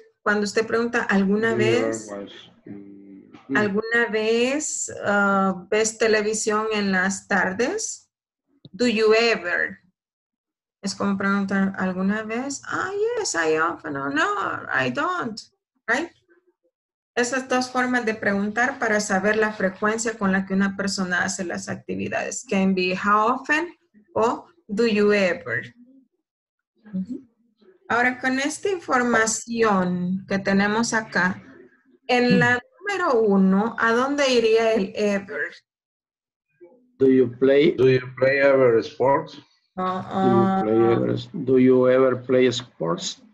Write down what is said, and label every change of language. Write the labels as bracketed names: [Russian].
[Spanish] Cuando usted pregunta alguna vez. ¿Alguna vez ves televisión en las tardes? [English] Do you ever? [Spanish] Es como preguntar alguna vez. [English] Ah, yes, I often. No, I don't. Right? [Spanish] Esas dos formas de preguntar para saber la frecuencia con la que una persona hace las actividades. [English] Can be how often o do you ever. [Spanish] Ahora, con esta información que tenemos acá, en la número uno, ¿a dónde iría el ever? [English] Do you play ever sports? Do you ever play sports?